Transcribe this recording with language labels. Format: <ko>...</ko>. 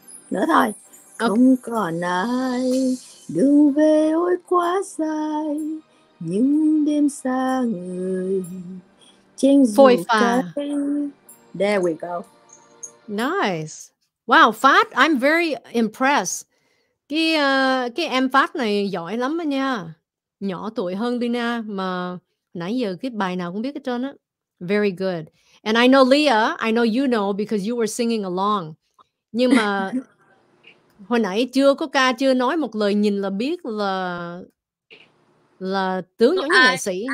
<vi>Nữa thôi. Okay. Không còn ai, đường về ôi quá dài, những đêm xa người, trên dù cây.</vi> <en>There we go. Nice. Wow, Phát, I'm very impressed.</en> <vi>Cái em Phát này giỏi lắm đó nha. Nhỏ tuổi hơn Lina, mà nãy giờ cái bài nào cũng biết hết trơn á.</vi> <en>Very good. And I know Leah, I know you know because you were singing along.</en> <vi>Nhưng mà... hồi nãy chưa có ca, chưa nói một lời, nhìn là biết là tướng giống như nghệ sĩ.</vi>